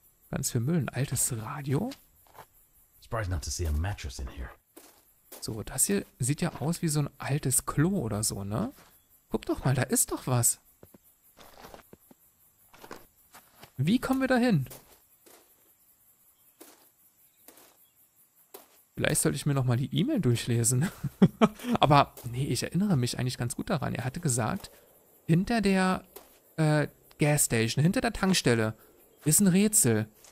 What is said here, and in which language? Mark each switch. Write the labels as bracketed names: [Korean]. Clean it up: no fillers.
[German] Ganz viel Müll, ein altes Radio. [English] Surprised not to see a mattress in here. [German] So, das hier sieht ja aus wie so ein altes Klo oder so, ne? Guck doch mal, da ist doch was. Wie kommen wir da hin? Vielleicht sollte ich mir nochmal die E-Mail durchlesen. Aber, nee, ich erinnere mich eigentlich ganz gut daran. Er hatte gesagt, hinter der Gas Station, hinter der Tankstelle, ist ein Rätsel.